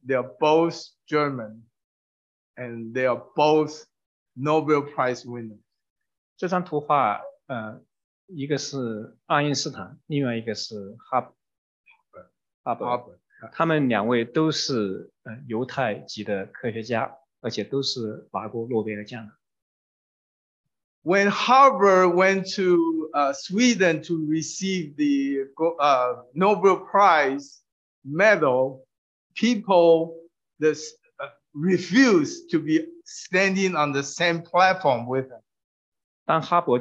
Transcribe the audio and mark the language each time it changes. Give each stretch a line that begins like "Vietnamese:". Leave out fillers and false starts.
English: They are both German, and they are both Nobel Prize winner.
Chinese: 这张图画，一个是爱因斯坦，另外一个是哈伯。他们两位都是犹太籍的科学家，而且都是拿过诺贝尔奖的。
English: When Haber went to Sweden to receive the Nobel Prize medal, people refused to be standing on the same platform with him.